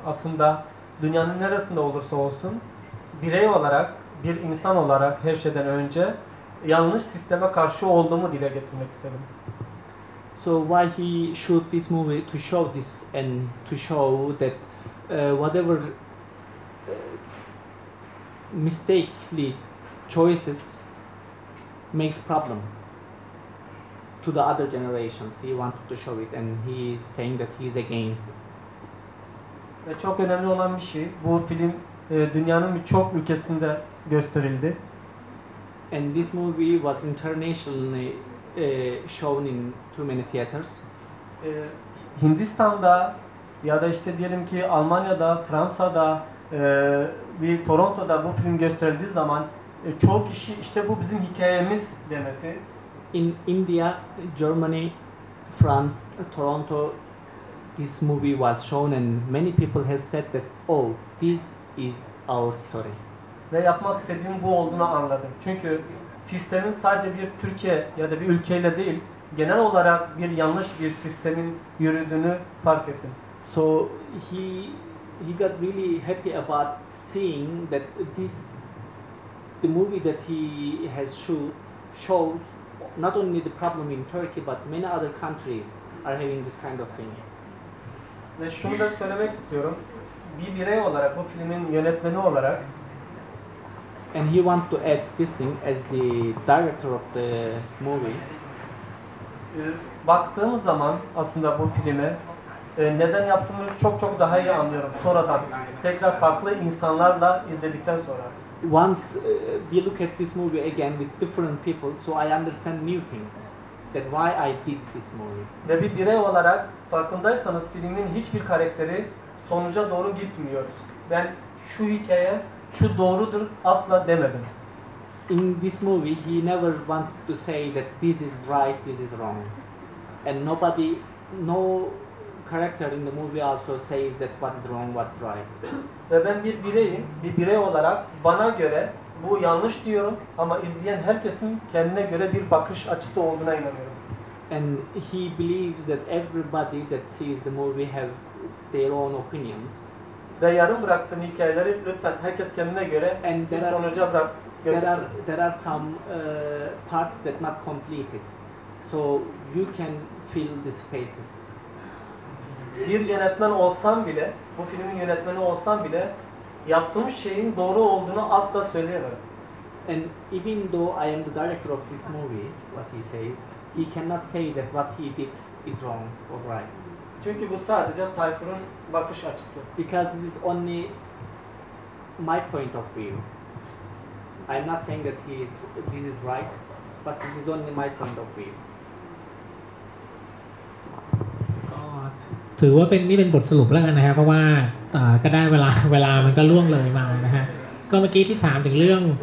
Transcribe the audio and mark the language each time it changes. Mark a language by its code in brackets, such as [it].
[tr] Aslında dünyanın neresinde olursa olsun, birey olarak, bir insan olarak her şeyden önce yanlış sisteme karşı olduğumu dile getirmek istedim. [en] So why he shoot this movie to show this and to show that whatever mistakenly choices makes problem to the other generations. He wanted to show it and he is saying that he is against [tr] it. Çok önemli olan bir şey. Bu film dünyanın birçok ülkesinde gösterildi. [en] And this movie was internationally shown in too many theaters. [tr] Hindistan'da ya da işte diyelim ki Almanya'da, Fransa'da, bir Toronto'da bu film gösterildiği zaman çoğu kişi işte bu bizim hikayemiz demesi. [en] In India, Germany, France, Toronto, this movie was shown and many people has said that oh, this is our story. [tr] Ve yapmak istediğim bu olduğunu anladım. Çünkü sistemin sadece bir Türkiye ya da bir ülkeyle değil, genel olarak bir yanlış bir sistemin yürüdüğünü fark ettim. [en] So he got really happy about seeing that this the movie that he has shows not only the problem in Turkey but many other countries are having this kind of thing. [tr] Ve şunu da söylemek istiyorum. Bir birey olarak bu filmin yönetmeni olarak [en] and he wants to add this thing as the director of the movie. [tr] Baktığım zaman aslında bu filmi neden yaptığımı çok çok daha iyi anlıyorum sonradan. Tekrar farklı insanlarla izledikten sonra. [en] Once we look at this movie again with different people, so I understand new things. That why I did this movie. [tr] Ve bir birey olarak farkındaysanız filmin hiçbir karakteri sonuca doğru gitmiyor. Ben şu hikaye şu doğrudur asla demedim. [en] In this movie, he never want to say that this is right, this is wrong. And nobody, no character in the movie also says that what is wrong, what's right. [tr] Ve ben bir bireyim, bir birey olarak bana göre bu yanlış diyorum ama izleyen herkesin kendine göre bir bakış açısı olduğuna inanıyorum. [en] And he believes that everybody that sees the movie have their own opinions. [tr] Ve yarım bıraktığım hikayeleri lütfen herkes kendine göre [en] and [tr] bir sonuca bırak. [en] There are some parts that not completed, so you can fill the spaces. [tr] Bir yönetmen olsam bile, bu filmin yönetmeni olsam bile, yaptığım şeyin doğru olduğunu asla söyleyemem. [en] And even though I am the director of this movie, what he says, he cannot say that what he did is wrong or right. [tr] Çünkü bu sadece Tayfur'un bakış açısı. [en] Because this is only my point of view. I'm not saying that this is right, but this is only my point of view. [th] ก็ถือว่าเป็นนี่เป็นบทสรุปแล้วกันนะครับเพราะว่าก็ได้เวลามันก็ล่วงเลยมานะฮะก็เมื่อกี้ที่ถามถึงเรื่อง